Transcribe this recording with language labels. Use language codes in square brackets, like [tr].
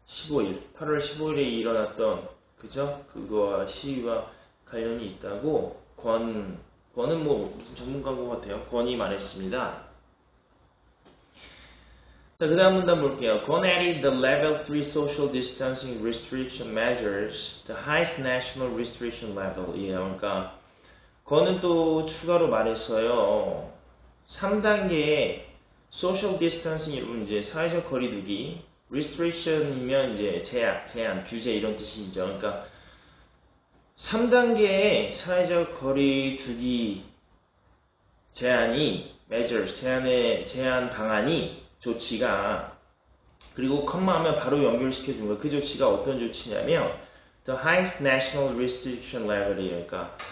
[ko] 8월 15일에 일어났던, 그죠? 그거와 시위와 관련이 있다고, 권은 뭐, 무슨 전문가인 것 같아요. 권이 말했습니다. 자, 그 다음 문단 볼게요. [en] Kwon added the level 3 social distancing restriction measures, the highest national restriction level. [ko] 예, 그러니까, 권은 또 추가로 말했어요. 3단계에 social distancing, 여러분, 이제, 사회적 거리두기. restriction이면, 이제, 제약, 제한, 규제, 이런 뜻이죠. 그러니까, 3단계의 사회적 거리두기 제한이, measures, 제한 방안이, 조치가, 그리고 컴마 하면 바로 연결시켜 준 거예요. 그 조치가 어떤 조치냐면, [en] the highest national restriction level [ko] 이에요.